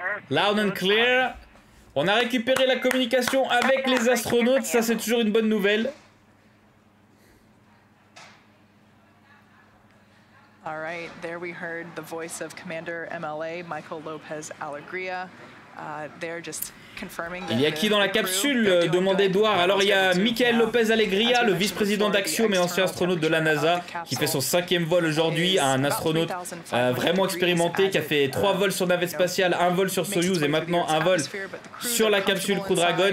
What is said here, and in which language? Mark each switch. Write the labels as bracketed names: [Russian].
[English] Loud and clear. [French] On a récupéré la communication avec les astronautes, ça c'est toujours une bonne nouvelle. [English] All right, there we heard the voice of Commander MLA Michael Lopez Alegria. They're just confirming. [French] Il y a qui dans la capsule, demandait Edouard. Alors il y a Michael Lopez Alegria, le vice-président d'Axiom et ancien astronaute de la NASA, qui fait son cinquième vol aujourd'hui, à un astronaute vraiment expérimenté, qui a fait trois vols sur navette spatiale, un vol sur Soyouz et maintenant un vol sur la capsule Crew Dragon.